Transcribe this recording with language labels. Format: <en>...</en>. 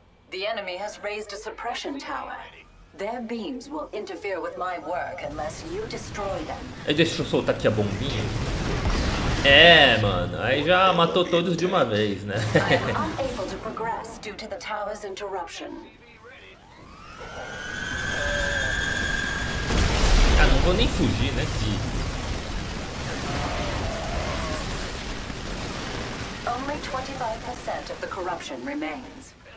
<en>The enemy has raised a suppression tower. Their beams will interfere with my work unless you destroy them.</en> <pt>Deixa eu soltar aqui a bombinha. É, mano, aí já matou todos de uma vez, né?</pt> <en>I am unable to progress due to the tower's interruption.</en> <pt>Ah, não vou nem fugir, né, de...</pt> <en>Only 25% of the corruption remains.</en>